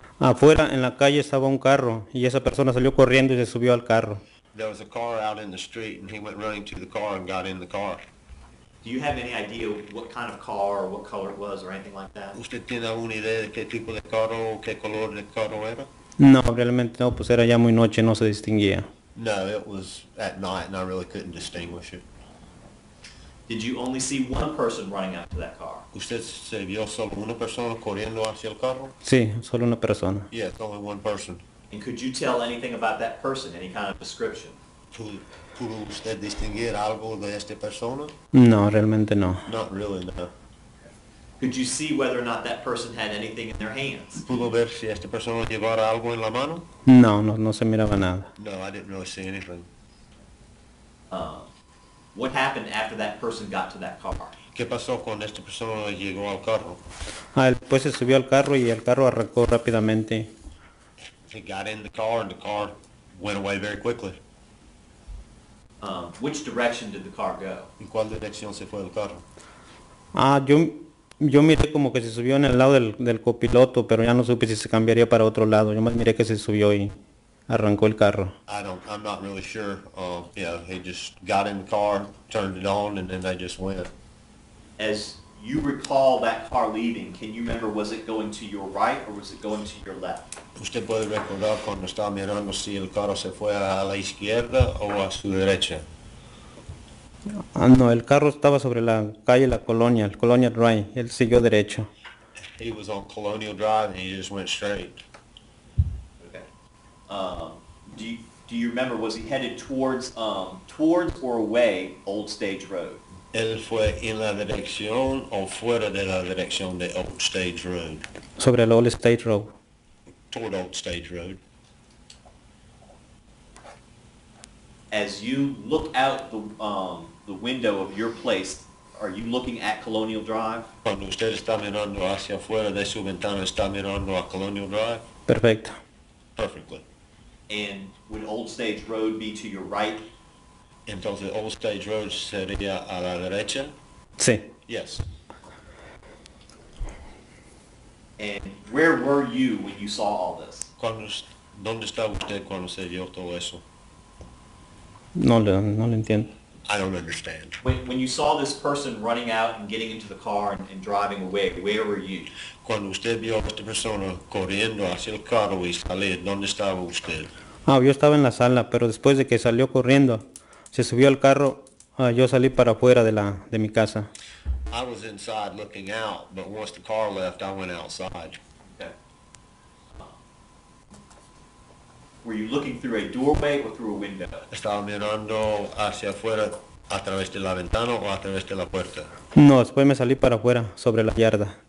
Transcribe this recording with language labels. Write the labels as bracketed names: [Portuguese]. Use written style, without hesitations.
[Spanish] Afuera en la calle estaba un carro y esa persona salió corriendo y se subió al carro. [English] There was a car out in the street and he went running to the car and got in the car. Do you have any idea what kind of car or what color it was or anything like that? [Spanish] ¿Usted tiene alguna idea de qué tipo de carro o qué color de carro era? No, realmente no, pues era ya muy noche, no se distinguía. [English] No, it was at night and I really couldn't distinguish it. Did you only see one person running out to that car? [Spanish] ¿Usted se vio solo una persona corriendo hacia el carro? Sí, solo una persona. [English] Yes, only one person. And could you tell anything about that person, any kind of description? [Spanish] ¿Pudo usted distinguir algo de esta persona? No, realmente no. [English] Not really, no. Could you see whether or not that person had anything in their hands? [Spanish] ¿Pudo ver si esta persona llevara algo en la mano? No, no, no se miraba nada. [English] No, I didn't really see anything. What happened after that person got to that car? [Spanish] ¿Qué pasó cuando esta persona llegó al carro? Pues se subió al carro y el carro arrancó rápidamente. [English] He got in the car and the car went away very quickly. Which direction did the car go? [Spanish] ¿En cuál dirección se fue el carro? Yo miré como que se subió en el lado del copiloto, pero ya no supe si se cambiaría para otro lado. Yo más miré que se subió y arrancó el carro. [English] I'm not really sure. He just got in the car, turned it on, and then they just went. As you recall that car leaving, can you remember, was it going to your right or was it going to your left? [Spanish] ¿Usted puede recordar cuando estaba mirando si el carro se fue a la izquierda o a su derecha? No, el carro estaba sobre la calle La Colonia, el Colonia Drive. Él siguió derecho. [English] He was on Colonial Drive and he just went straight. Do you remember, was he headed towards or away Old Stage Road? [Spanish] ¿Él fue en la dirección o fuera de la dirección de Old Stage Road? Sobre el Old Stage Road. [English] Toward Old Stage Road. As you look out the window of your place, are you looking at Colonial Drive? [Spanish] Cuando usted está mirando hacia afuera de su ventana, está mirando a Colonial Drive? Perfecto. [English] Perfectly. And would Old Stage Road be to your right? [Spanish] Entonces, Old Stage Road sería a la derecha? Sí. [English] Yes. And where were you when you saw all this? [Spanish] ¿Dónde estaba usted cuando se vio todo eso? No lo entiendo. [English] I don't understand. When you saw this person running out and getting into the car and driving away, where were you? [Spanish] Cuando usted vio a esta persona corriendo hacia el carro y salir, ¿dónde estaba usted? Yo estaba en la sala, pero después de que salió corriendo, se subió al carro, yo salí para afuera de mi casa. [English] I was inside looking out, but once the car left, I went outside. Were you looking through a doorway or through a window? [Spanish] ¿Estaba mirando hacia afuera a través de la ventana o a través de la puerta? No, después me salí para afuera, sobre la yarda.